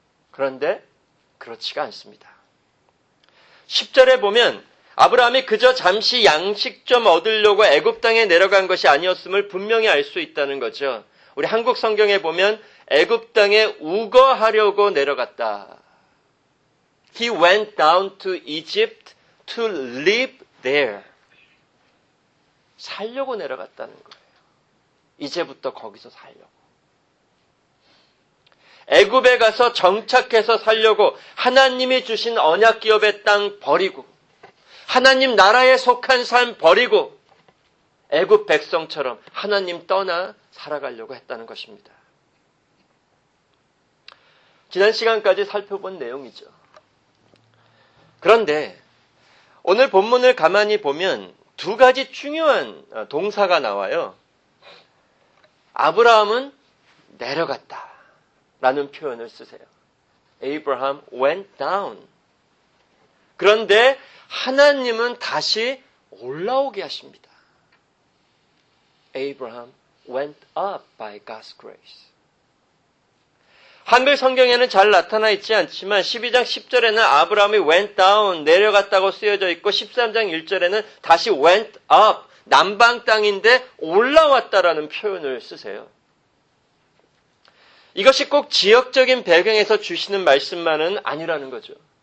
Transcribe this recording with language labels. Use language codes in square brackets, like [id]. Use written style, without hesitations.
[ko] 그런데 그렇지가 않습니다. 10절에 보면 아브라함이 그저 잠시 양식 좀 얻으려고 애굽 땅에 내려간 것이 아니었음을 분명히 알 수 있다는 거죠. 우리 한국 성경에 보면 애굽 땅에 우거하려고 내려갔다. [en] He went down to Egypt to live there. [ko] 살려고 내려갔다는 거예요. 이제부터 거기서 살려고. 애굽에 가서 정착해서 살려고 하나님이 주신 언약 기업의 땅 버리고 하나님 나라에 속한 삶 버리고 애굽 백성처럼 하나님 떠나 살아가려고 했다는 것입니다. 지난 시간까지 살펴본 내용이죠. 그런데 오늘 본문을 가만히 보면 두 가지 중요한 동사가 나와요. 아브라함은 내려갔다 라는 표현을 쓰세요. [en] Abraham went down. [ko] 그런데 하나님은 다시 올라오게 하십니다. [en] Abraham went up by God's grace. [ko] 한글 성경에는 잘 나타나 있지 않지만 12장 10절에는 아브라함이 went down, 내려갔다고 쓰여져 있고 13장 1절에는 다시 went up, 남방 땅인데 올라왔다라는 표현을 쓰세요. 이것이 꼭 지역적인 배경에서 주시는 말씀만은 아니라는 거죠.